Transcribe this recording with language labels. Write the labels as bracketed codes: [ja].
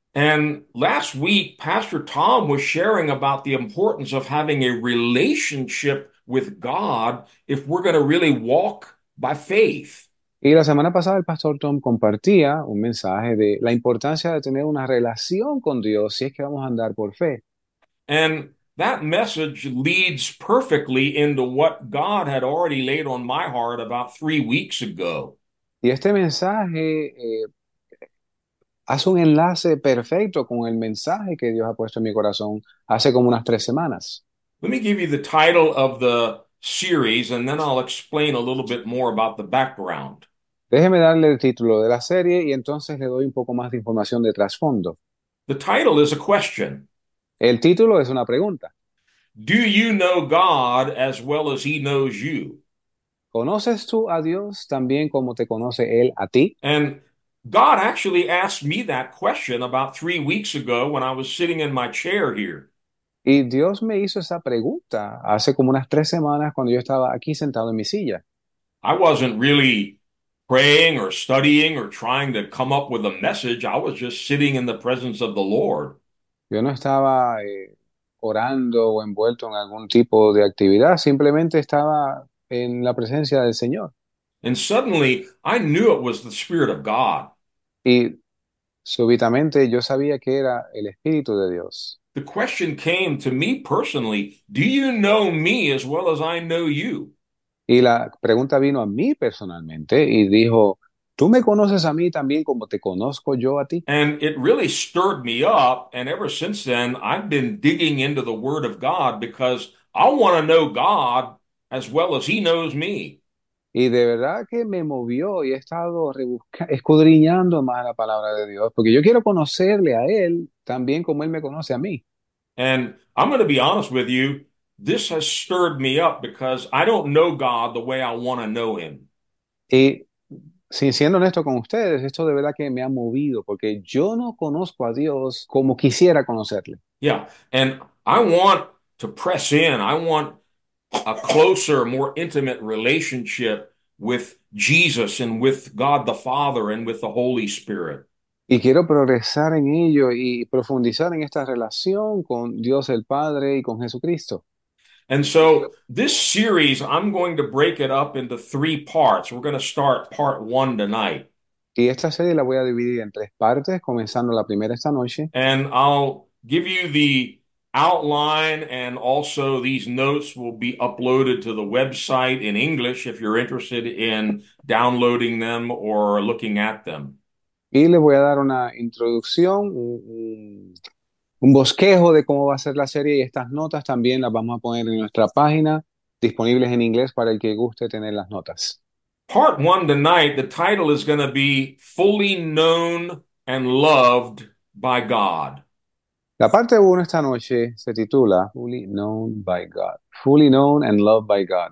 [en] And last week, Pastor Tom was sharing about the importance of having a relationship with God if we're going to really walk by faith. [es] Y la semana pasada el pastor Tom compartía un mensaje de la importancia de tener una relación con Dios si es que vamos a andar por fe. [en] And that message leads perfectly into what God had already laid on my heart about 3 weeks ago. [es] Y este mensaje hace un enlace perfecto con el mensaje que Dios ha puesto en mi corazón hace como unas 3 semanas. [en] Let me give you the title of the series, and then I'll explain a little bit more about the background. [es] Déjeme darle el título de la serie y entonces le doy un poco más de información de trasfondo. [en] The title is a question. [es] El título es una pregunta. [en] Do you know God as well as He knows you? [es] ¿Conoces tú a Dios también como te conoce Él a ti? [en] And God actually asked me that question about 3 weeks ago when I was sitting in my chair here. [es] Y Dios me hizo esa pregunta hace como unas 3 semanas cuando yo estaba aquí sentado en mi silla. [en] I wasn't really praying or studying or trying to come up with a message. I was just sitting in the presence of the Lord. [es] Yo no estaba orando o envuelto en algún tipo de actividad, simplemente estaba en la presencia del Señor. [en] And suddenly, I knew it was the Spirit of God. [es] Y súbitamente yo sabía que era el Espíritu de Dios. [en] The question came to me personally, do you know me as well as I know you? [es] Y la pregunta vino a mí personalmente y dijo, ¿tú me conoces a mí también como te conozco yo a ti? [en] And it really stirred me up. And ever since then, I've been digging into the Word of God because I want to know God as well as He knows me. [es] Y de verdad que me movió y he estado escudriñando más la palabra de Dios, porque yo quiero conocerle a Él también como Él me conoce a mí. [en] And I'm going to be honest with you, this has stirred me up because I don't know God the way I want to know Him. [es] Y sin siendo honesto con ustedes, esto de verdad que me ha movido, porque yo no conozco a Dios como quisiera conocerle. [en] Yeah, and I want to press in. I want a closer, more intimate relationship with Jesus and with God the Father and with the Holy Spirit. [es] Y quiero progresar en ello y profundizar en esta relación con Dios el Padre y con Jesucristo. [en] And so this series, I'm going to break it up into 3 parts. We're going to start part one tonight. [es] Y esta serie la voy a dividir en 3 partes, comenzando la primera esta noche. [en] And I'll give you the outline, and also these notes will be uploaded to the website in English if you're interested in downloading them or looking at them. [es] Y le voy a dar una introducción, un bosquejo de cómo va a ser la serie y estas notas también las vamos a poner en nuestra página, disponibles en inglés para el que guste tener las notas. [en] Part one tonight, the title is going to be Fully Known and Loved by God. [es] La parte 1 esta noche se titula [en] Fully Known by God. Fully Known and Loved by God.